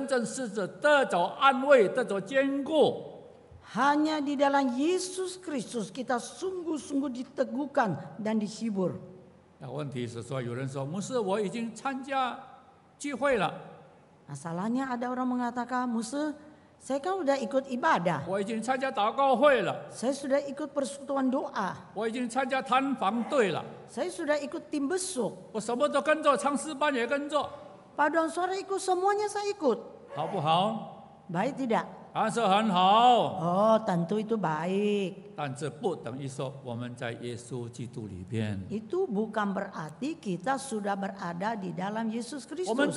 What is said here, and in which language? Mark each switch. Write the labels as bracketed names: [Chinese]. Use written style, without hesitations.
[Chinese] 只有在耶稣基督里，我们才是能够真正实质得着安慰，得着坚固。 [Indonesian] Hanya di dalam Yesus Kristus kita sungguh-sungguh diteguhkan dan dihibur. [Chinese] 问题是说，有人说，牧师，我已经参加聚会了。 [Indonesian] Masalahnya ada orang mengatakan, Musa, saya kan sudah ikut ibadah. [Chinese] 我已经参加祷告会了。 [Indonesian] Saya sudah ikut persekutuan doa. [Chinese] 我已经参加探访队了。 [Indonesian] Saya sudah ikut tim besuk. [Chinese] 我什么都跟着，唱诗班也跟着。 [Indonesian] Paduan suara ikut semuanya saya ikut. [Chinese] 好不好? [Indonesian] Baik tidak? [Chinese] 还是很好。 [Indonesian] Oh, tentu itu baik. [Chinese] 但这不等于说我们在耶稣基督里边。 [Indonesian] Itu bukan berarti kita sudah berada di dalam Yesus Kristus.